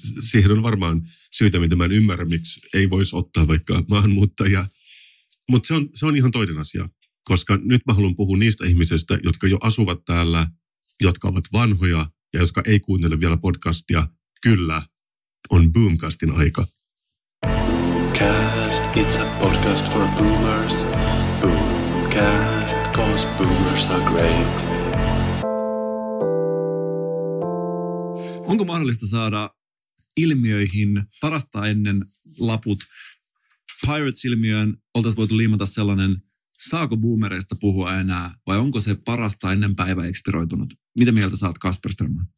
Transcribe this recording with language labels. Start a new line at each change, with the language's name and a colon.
Finnish: Siihen on varmaan syytä, mitä mä en ymmärrä, miksi ei voisi ottaa vaikka maahanmuuttajia. Mutta se on ihan toinen asia, koska nyt mä haluan puhua niistä ihmisistä, jotka jo asuvat täällä, jotka ovat vanhoja ja jotka ei kuuntele vielä podcastia. Kyllä. On Boomcastin aika.
English: Cast, it's a podcast for boomers. Boomcast, cause boomers are great.
Finnish: Onko mahdollista saada ilmiöihin parasta ennen laput? Pirates-ilmiöön oltaisiin voitu liimata sellainen, saako boomereista puhua enää vai onko se parasta ennen päivä ekspiroitunut? Mitä mieltä saat, Kasper Strömman?